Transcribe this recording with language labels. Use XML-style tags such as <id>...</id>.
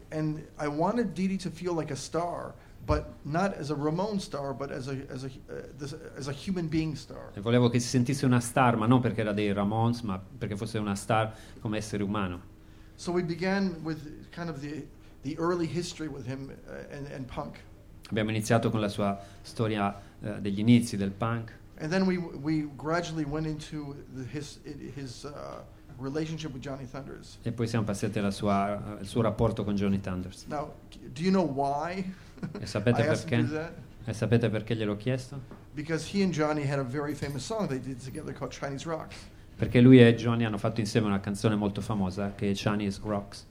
<en>And I wanted Didi to feel like a star, but not as a Ramon star, but as a human being star.</en> <it>E volevo che si sentisse una star, ma non perché era dei Ramones, ma perché fosse una star come essere umano.</it> <en>So we began with kind of the early history with him and punk.</en> <it>Abbiamo iniziato con la sua storia degli inizi del punk.</it> <en>And then we gradually went into his relationship with Johnny Thunders.</en> <it>E poi siamo passati alla sua il suo rapporto con Johnny Thunders.</it> <en>Now, do you know why?</en> <it>E sapete perché? E sapete perché gliel'ho chiesto?</it> <en>Because he and Johnny had a very famous song they did together called Chinese Rocks.</en> <it>Perché lui e Johnny hanno fatto insieme una canzone molto famosa che è Chinese Rocks.</it>